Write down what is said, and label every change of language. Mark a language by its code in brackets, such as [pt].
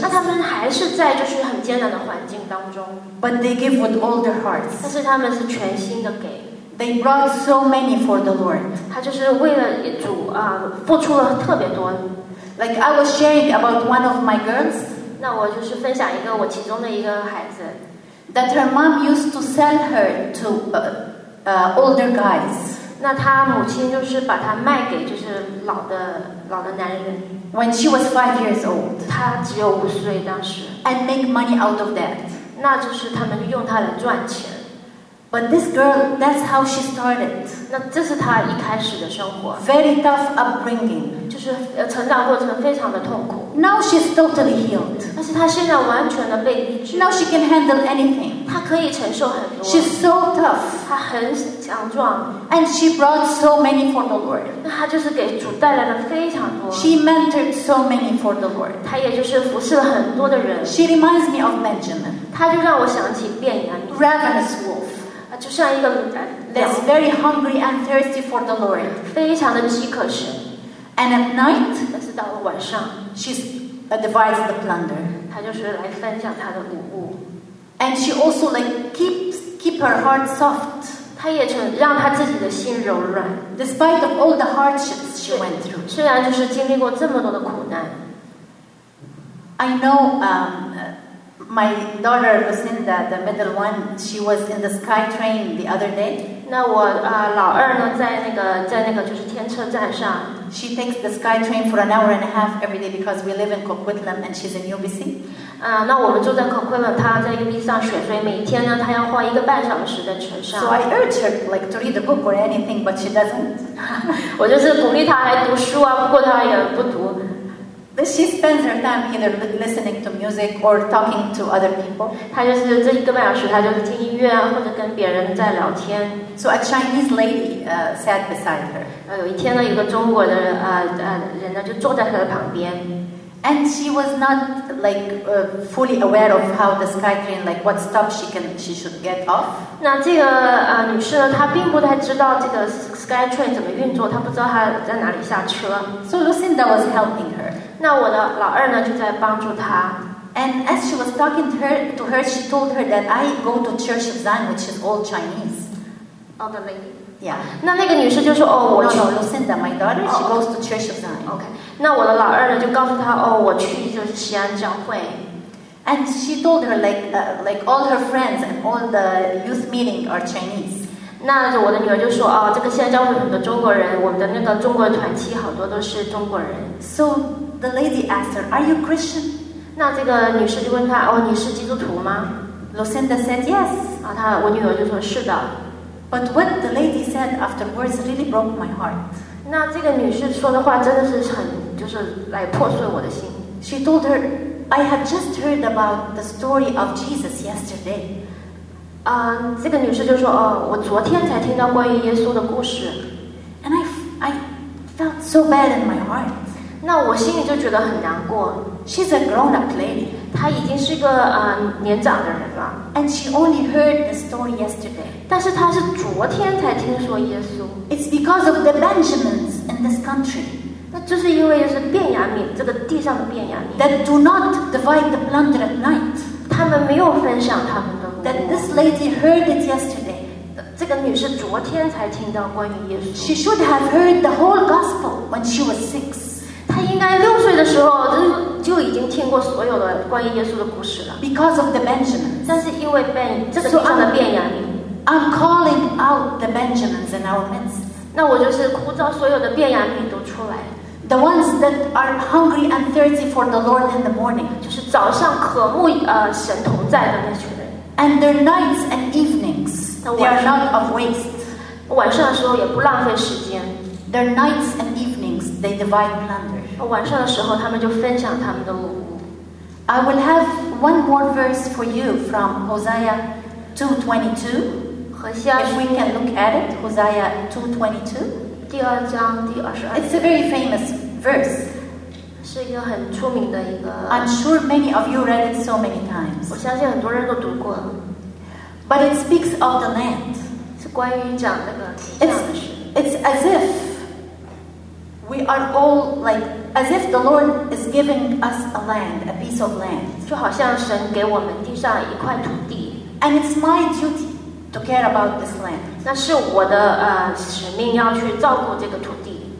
[zh] 那他们还是在就是很艰难的环境当中。 [en] But they give with all their hearts. [zh] 但是他们是全心的给。 [en] They brought so many for the Lord. [zh] 他就是为了主付出了特别多。 [en] Like I was sharing about one of my girls. [zh] 那我就是分享一个我其中的一个孩子。 [en] That her mom used to sell her to older guys. [zh] 那她母亲就是把她卖给就是老的男人。 [en] When she was 5 years old, [zh] 她只有5岁当时。 [en] And make money out of that. [zh] 那就是他们用她来赚钱。 [en] But this girl, that's how she started. [zh] 那这是她一开始的生活。 [en] Very tough upbringing. [zh] 就是成长过程非常的痛苦。 [en] Now she's totally healed. [zh] 但是她现在完全的被医治。 [en] Now she can handle anything. [zh] 她可以承受很多。 [en] She's so tough. [zh] 她很强壮。 [en] And she brought so many for the Lord. [zh] 那她就是给主带来了非常多。 [en] She mentored so many for the Lord. [zh] 她也就是服侍了很多的人。 [en] She reminds me of Benjamin. [zh] 她就让我想起便雅悯。 [en] Ravenous wolf. [zh] 就像一个 [en] That's very hungry and thirsty for the Lord. [zh] 非常的饥渴神。 [en] And at night, [zh] 但是到了晚上 [en] she's divides the plunder. [zh] 她就是来分享她的谷物。 [en] And she also like keep her heart soft. [zh] 她也成让她自己的心柔软。 [en] Despite of all the hardships she went through. [zh] 虽然就是经历过这么多的苦难。 [en] I know, My daughter Lucinda, the middle one, she was in the sky train the other day. [zh] 那我老二呢，在那个就是天车站上。 [en] She takes the sky train for an hour and a half every day because we live in Coquitlam and she's in UBC. [zh] 那我们住在 Coquitlam， 她在 UBC 上学，所以每天呢，她要花一个半小时在车上。 [en] So I urge her like to read a book or anything, but she doesn't. [zh] 我就是鼓励她来读书啊，不过她也不读。 [en] She spends her time either listening to music or talking to other people. [zh] 她就是这一个半小时，她就是听音乐啊，或者跟别人在聊天。 [en] So a Chinese lady sat beside her. [zh] 有一天呢，一个中国的人呢就坐在她的旁边。 [en] And she was not like fully aware of how the sky train, like what stop she should get off. [zh] 那这个女士呢，她并不太知道这个 sky train 怎么运作，她不知道她在哪里下车。 [en] So Lucinda was helping her. [zh] 那我的老二呢，就在帮助她。 [en] And as she was talking to her, she told her that I go to Church of Zion, which is all Chinese. Oh, the lady. Yeah. [zh] 那那个女士就说，哦，我去。 [en] No, Lucinda, my daughter, she goes to Church of Zion. Okay. [zh] 那我的老二呢，就告诉他，哦，我去就是西安教会。 [en] And she told her like all her friends and all the youth meeting are Chinese. [zh] 那我的女儿就说，哦，这个西安教会很多中国人，我们的那个中国团契好多都是中国人。 [en] So the lady asked her, "Are you Christian?" [zh] 那这个女士就问她，哦，你是基督徒吗 [en] ？Lucinda said yes. [zh] 啊，她我女儿就说是的。 [en] But what the lady said afterwards really broke my heart. [zh] 那这个女士说的话真的是很，就是来破碎我的心。 [en] She told her, "I had just heard about the story of Jesus yesterday." [zh] 这个女士就说，哦，我昨天才听到关于耶稣的故事。 [en] And I felt so bad in my heart. [zh] 那我心里就觉得很难过。 [en] She's a grown-up lady. [zh] 她已经是一个年长的人了。 [en] And she only heard the story yesterday. [zh] 但是她是昨天才听说耶稣。 [en] It's because of the Benjamins in this country. [zh] 那就是因为就是便雅悯这个地上的便雅悯。 [en] That do not divide the plunder at night. [zh] 他们没有分享他们的。 [en] That this lady heard it yesterday. [zh] 这个女士昨天才听到关于耶稣。 [en] She should have heard the whole gospel when she was six. [zh] 她应该六岁的时候就已经听过所有的关于耶稣的故事了。 [en] Because of the Benjamins. [zh] 但是因为这个地上的便雅悯。 [en] I'm calling out the Benjamins in our midst. [zh] 那我就是呼召所有的便雅悯都出来。 [en] The ones that are hungry and thirsty for the Lord in the morning. [zh] 就是早上渴慕神同在的那群人。 [en] And their nights and evenings, they are not of waste. [zh] 晚上的时候也不浪费时间。 [en] Their nights and evenings, they divide plunder. [zh] 晚上的时候他们就分享他们的谷物。 [en] I will have one more verse for you from Hosea 2:22. If we can look at it, Hosea 2:22. [zh] 第二章第二十二节。 [en] It's a very famous verse. [zh] 是一个很出名的一个。 [en] I'm sure many of you read it so many times. [zh] 我相信很多人都读过。 [en] But it speaks of the land. [zh] 是关于讲那个。 [en] It's as if we are all like as if the Lord is giving us a land, a piece of land. [zh] 就好像神给我们地上一块土地。 [en] And it's my duty. To care about this land. [zh] 那是我的使命要去照顾这个土地。